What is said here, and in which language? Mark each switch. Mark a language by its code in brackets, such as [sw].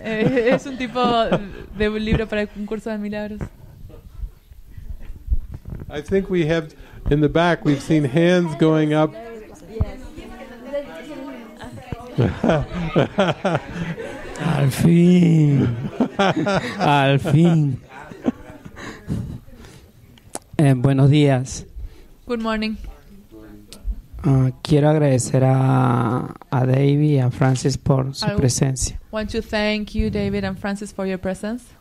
[es] Es un tipo de libro para un curso de milagros. [en] I think we have in the back, we've seen hands going up. [es] Al fin. Al fin. Buenos días. [en] Good morning. [es] Quiero agradecer a David y a Francis por su presencia. [en] I want to thank you, David and Francis, for your presence.